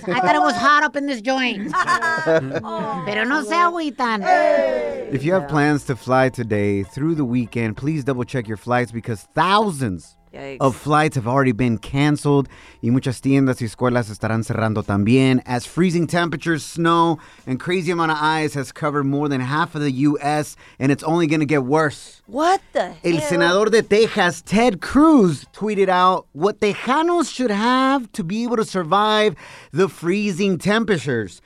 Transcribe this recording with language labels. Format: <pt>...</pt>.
<en>I thought it was hot up in this joint.</en> <es>Oh, pero no se agüitan.</es> <en>If you have plans to fly today through the weekend, please double check your flights because thousands of flights have already been canceled.</en> <es>Y muchas tiendas y escuelas estarán cerrando también.</es> <en>As freezing temperatures, snow, and crazy amount of ice has covered more than half of the U.S. and it's only going to get worse. What the hell?</en> <es>El senador de Texas,</es> <en>Ted Cruz, tweeted out what Tejanos should have to be able to survive the freezing temperatures.</en>